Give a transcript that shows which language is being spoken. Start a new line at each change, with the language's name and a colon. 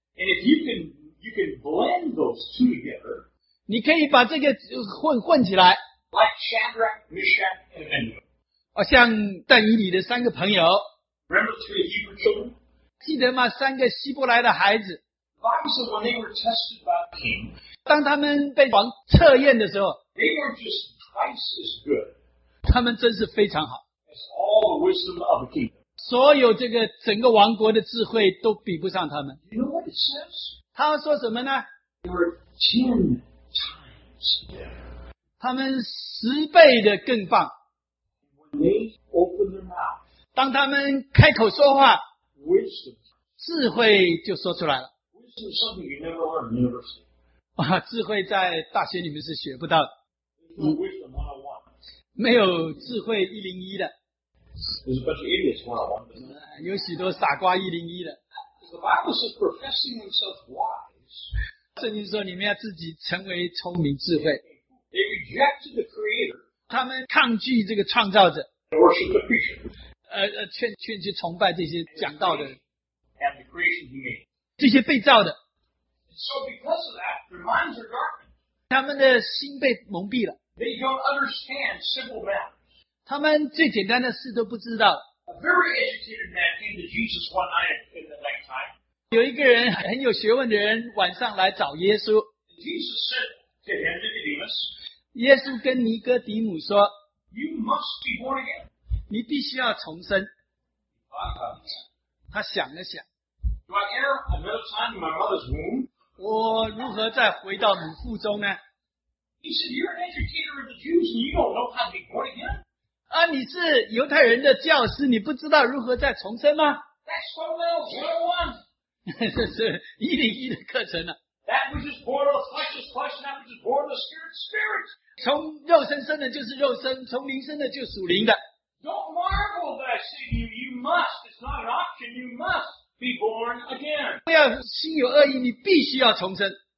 English: And if you can blend those two together,
Chinese: 你可以把这个混起来。
English: Like Shadrach, Meshach, and Abednego.
Chinese: 像但以理的三个朋友。
English: Remember the three Hebrew children?
Chinese: 记得吗？三个希伯来的孩子。
English: The Bible said when they were tested by the king,
Chinese: 当他们被王测验的时候
English: they were just twice as good,
Chinese: 他们真是非常好
English: as all the wisdom of the kingdom.
Chinese: 所有这个整个王国的智慧都比不上他们
English: you know what it says?
Chinese: 他说什么呢
English: they were 10 times better
Chinese: 他们十倍的更棒
English: when they opened their mouth,
Chinese: 当他们开口说话
English: wisdom.
Chinese: 智慧就说出来了
English: wisdom is something you never learn in university.
Chinese: 智慧在大学里面是学不到的。
English: No、
Chinese: 没有智慧101的。
English: There's a bunch of idiots 101.
Chinese: 有许多傻瓜101的。
English: The Bible says professing themselves wise.
Chinese: 圣经说你们要自己成为聪明智慧。
English: They rejected the creator.
Chinese: 他们抗拒这个创造者。
English: Worship the creature.
Chinese: 劝去崇拜这些讲道的。
English: And the creation he made.
Chinese: 这些被造的。
English: So because of that, their minds are darkened.
Chinese: 他们的心被蒙蔽了。
English: They don't understand simple matters.
Chinese: 他们最简单的事都不知道。
English: A very educated man came to Jesus one night in the night time.
Chinese: 有一个人很有学问的人晚上来找耶稣。
English: Jesus said to him, Nicodemus,
Chinese: 耶稣跟尼哥底母说,
English: You must be born again.
Chinese: 你必须要重生。 Uh-huh. 他想了想。
English: Do I enter another time in my mother's womb?
Chinese: 我如何再回到母腹中呢?
English: He said, you're an educator of the Jews and you don't know how to be born again?
Chinese: 啊，你是犹太人的教师，你不知道如何再重生吗?
English: That's fundamental
Chinese: 101. 这是101的课程啊。
English: That which is born of the flesh is flesh, and that which is born of the spirit is spirit.
Chinese: 从肉身生的就是肉身，从灵生的就属灵的。
English: Don't marvel that I say to you, you must, it's not an option, you must. Be born again.
Chinese: 不要心有恶意，你必须要重生。